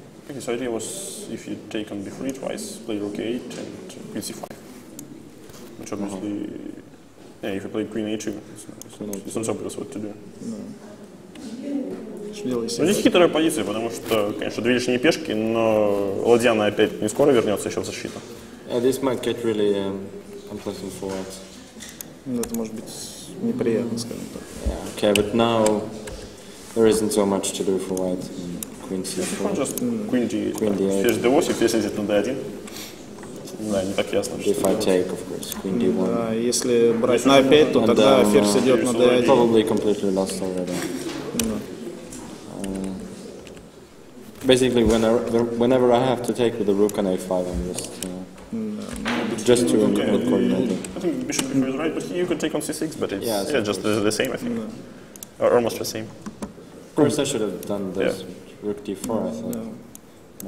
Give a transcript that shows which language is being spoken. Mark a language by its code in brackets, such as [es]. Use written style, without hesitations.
[en] Okay, so idea was if you take on b3 twice, play rook 8 and queen c5. Which obviously, yeah, if you play queen a2, it's not so obvious what to do. No. [ru] Здесь хитрая позиция, потому что, конечно, две лишние пешки, но ладья на опять не скоро вернется еще в защиту. [en] Yeah, this might get really unpleasant for us. [ru] Ну, это может быть неприятно, скажем так. [en] Yeah, okay, but now there isn't so much to do for white. Queen c4. Just queen d8. [ru] Ферзь d8, ферзь идет на d1. Да, не так ясно. [en] If I take, of course, queen d1. [ru] Да, если брать на a5, то тогда ферзь идет на d1. [en] Probably completely lost already. Basically, whenever I have to take with the rook on a5, I'm just... just to look coordinated. I think bishop is right, but you could take on c6, but it's just the same, I think. Or almost the same. Of course, I should have done this. Rook d4, I thought.